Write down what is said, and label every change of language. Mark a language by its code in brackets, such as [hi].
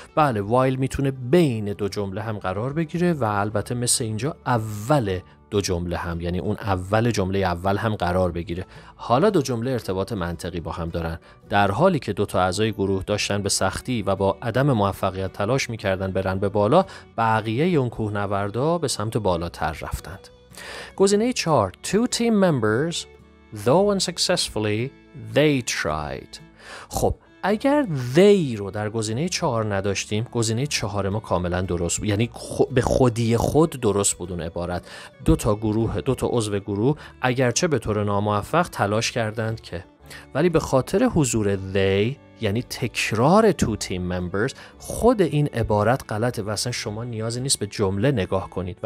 [fa] بله while میتونه بین دو جمله هم قرار بگیره و البته مثل اینجا اوله دو جمله هم، یعنی اون اول جمله اول هم قرار بگیره. حالا دو جمله ارتباط منطقی با هم دارن. در حالی که دو تا اعضای گروه داشتن به سختی و با عدم موفقیت تلاش میکردن برن به بالا، بقیه اون کوهنوردا به سمت بالاتر رفتند. گزینه 4 [en] Two team members, though unsuccessfully, they tried. [fa] خب اگر they رو در گزینه 4 نداشتیم، گزینه 4 ما کاملا درست بود، یعنی به خودی خود درست بود اون عبارت. دو تا عضو گروه اگرچه به طور ناموفق تلاش کردند که، ولی به خاطر حضور they یعنی تکرار [en] two team members [fa] خود این عبارت غلطه و اصلا شما نیازی نیست به جمله نگاه کنید.